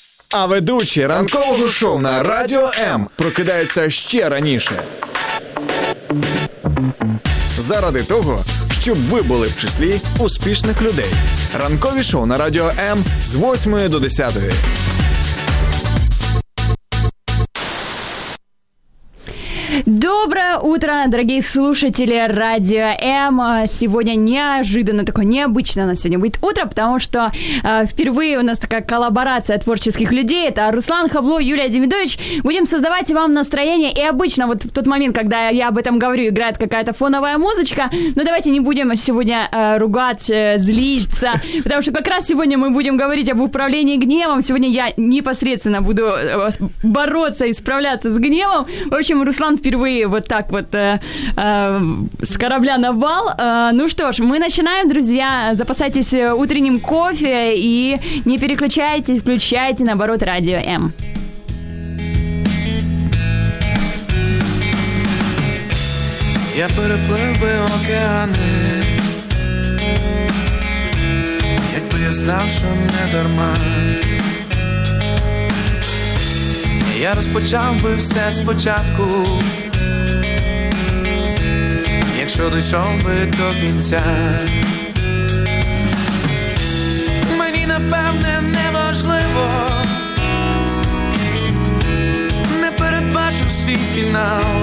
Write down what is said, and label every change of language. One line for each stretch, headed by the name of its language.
Ukrainian: А ведучий ранкового шоу на Радіо М прокидається ще раніше. Заради того, щоб ви були в числі успішних людей. Ранкові шоу на Радіо М з 8 до 10.
Russian: Доброе утро, дорогие слушатели Радио М. Сегодня неожиданно, такое необычное у нас сегодня будет утро, потому что впервые у нас такая коллаборация творческих людей. Это Руслан Хавло, Юлия Демидович. Будем создавать вам настроение. И обычно вот в тот момент, когда я об этом говорю, играет какая-то фоновая музычка. Но давайте не будем сегодня ругать, злиться, потому что как раз сегодня мы будем говорить об управлении гневом. Сегодня я непосредственно буду бороться и справляться с гневом. В общем, Руслан впервые вот так вот с корабля на бал. Ну что ж, мы начинаем, друзья. Запасайтесь утренним кофе и не переключайтесь, включайте, наоборот, Радио М. Я переплыл бы океаны, как бы я знал, что мне дарма.
Ukrainian: Я розпочав би все спочатку, якщо дійшов би до кінця. Мені, напевне, неможливо, не передбачу свій фінал.